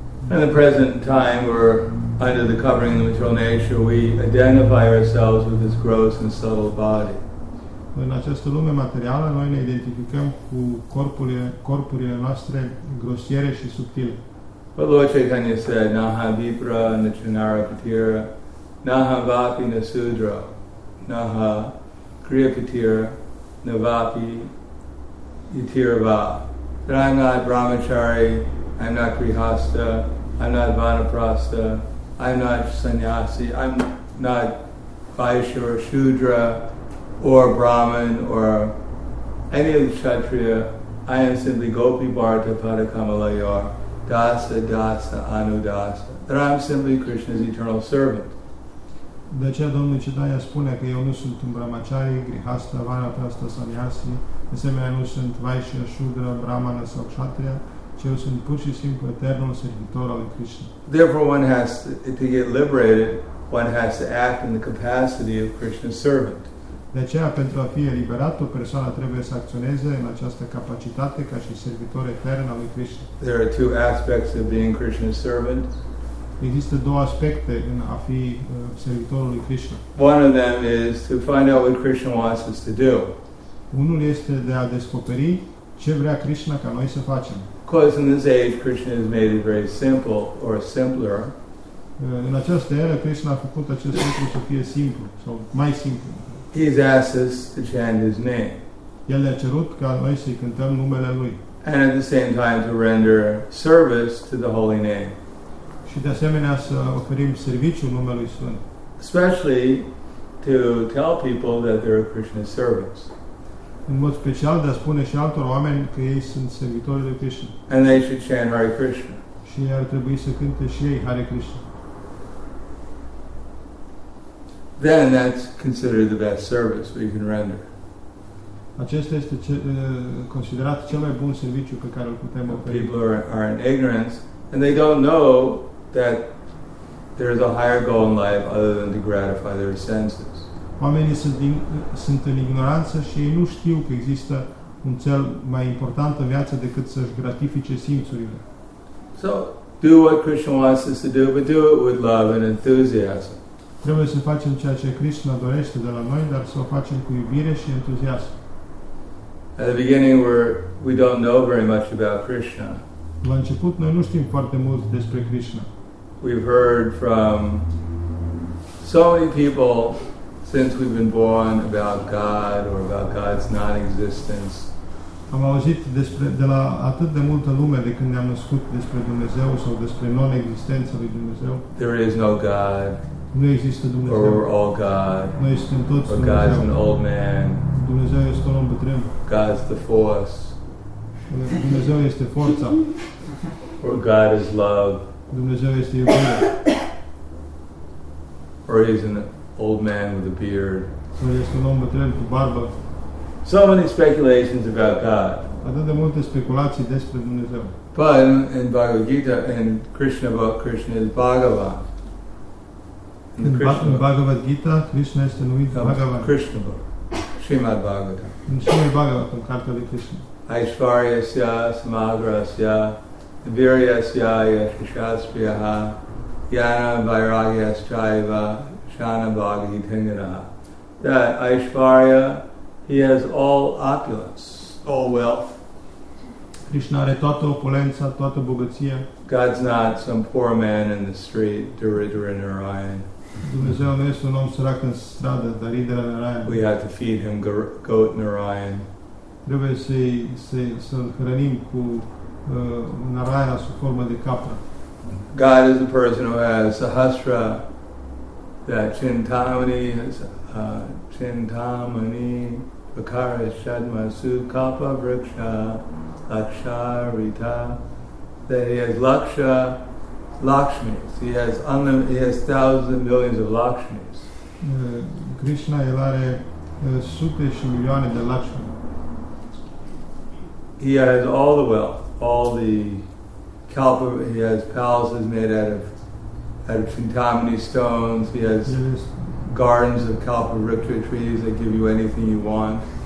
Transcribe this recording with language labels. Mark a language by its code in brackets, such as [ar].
[en] In the present time, we're under the covering of the material nature. We identify ourselves with this gross and subtle body. [ro] În această lume materială, noi ne identificăm cu corpurile noastre grosiere și subtile. [en] But Lord Chaitanya said, [sa] "Naham vipra na chinara patira, naham vapi na sudra, naha kriya patira, na vapi itirva." [en] That I'm not brahmachari, I'm not grihasta, I'm not vanaprastha, I'm not sannyasi, I'm not vaishya or shudra or brahman or any of the kshatriya. I am simply [sa] gopi bharata pada kamalayar, dasa dasa anudasa. [en] That I'm simply Krishna's eternal servant. [ro] De aceea Domnul Chaitanya spune că eu nu sunt un brahmachari, grihasta, vanaprastha, sannyasi, de asemenea nu sunt vaishya, shudra, brahmana sau kshatriya. Eu sunt pur și simplu eternul servitor al lui Krishna. [en] Therefore one has to get liberated, one has to act in the capacity of Krishna's servant. [ro] De aceea, pentru a fi eliberat, o persoană trebuie să acționeze în această capacitate ca și servitor etern al lui Krishna. [en] There are two aspects of being Krishna's servant. [ro] Există două aspecte în a fi servitorul lui Krishna. [en] One of them is to find out what Krishna wants us to do. [ro] Unul este de a descoperi ce vrea Krishna ca noi să facem. [en] Because in this age, Krishna has made it very simple, or simpler. [ro] În această era, Krishna a făcut acest lucru să fie simplu, sau mai simplu. [en] He has asked us to chant his name. [ro] El ne-a cerut ca noi să-i cântăm numele lui. [en] And at the same time to render service to the holy name. [ro] Și de asemenea să oferim serviciu numelui Sfânt. [en] Especially to tell people that they are Krishna's servants. [ro] În mod special de a spune și altor oameni că ei sunt servitori de Krishna. [en] And they should chant Hare Krishna. [ro] Și ei ar trebui să cânte și ei Hare Krishna. [en] Then that's considered the best service we can render. [ro] Acesta este considerat cel mai bun serviciu pe care îl putem oferi. [en] People are in ignorance and they don't know that there is a higher goal in life other than to gratify their senses. [ro] Oamenii sunt în ignoranță și ei nu știu că există un cel mai important în viață decât să-și gratifice simțurile. [en] So, do what Krishna wants us to do, but do it with love and enthusiasm. [ro] Trebuie să facem ceea ce Krishna dorește de la noi, dar să o facem cu iubire și entuziasm. [en] At the beginning, we don't know very much about Krishna. [ro] La început, noi nu știm foarte mult despre Krishna. [en] We've heard from so many people since we've been born about God or about God's non-existence. [ro] Am auzit despre de la atât de multă lume de când ne-am născut despre Dumnezeu sau despre non-existența lui Dumnezeu. [en] There is no God. [ro] Nu există Dumnezeu. [en] Or we're all God. [ro] Noi suntem toți Dumnezeu. [en] Or God is an old man. [ro] Dumnezeu este un om bătrân. [en] God is the force. [ro] Dumnezeu este forța. [en] Or God is love. [ro] Dumnezeu este iubire. [en] Or he's an old man with a beard. [ro] Sau este un om bătrân cu barbă. [en] So many speculations about God. [ro] Atât de multe speculații despre Dumnezeu. [en] But in Bhagavad Gita, in Krishna book, Krishna is Bhagavan. [ro] In Bhagavad Gita, Krishna este numit Bhagavan. [en] Krishna book. Srimad Bhagavatam. [ro] In Srimad Bhagavatam, cartele Krishna. [sa] Aishvaryasya, Samagrasya, Viryasya, Yashashaspriyaha, Yana Vairagyaschaiva, Shana Bhagavati Tengaraha. [en] That Aishvarya, he has all opulence, all wealth. [ro] Krishna are toată opulența, toată bogăția. [en] God's not some poor man in the street, Duridra Narayan. [ro] Dumnezeu nu este un om sărac în stradă, dar Indra Narayan. [en] We have to feed him goat Narayan. [ro] Trebuie să-l hrănim cu Narayana sub formă de capră. [en] God is a person who has [sa] Sahasra, that Chintamani, Chintamani, Vakara, Shadma, Sukapa, Vriksha, Laksha, Rita, [en] that he has [sa] Laksha, Lakshmis. [en] He has thousands and millions of Lakshmis. [ro] Krishna, el are sute și milioane de Lakshmi. [en] He has all the wealth, all the kalpa. He has palaces made out of Chintamani stones. He has gardens of kalpa vriksha trees that give you anything you want.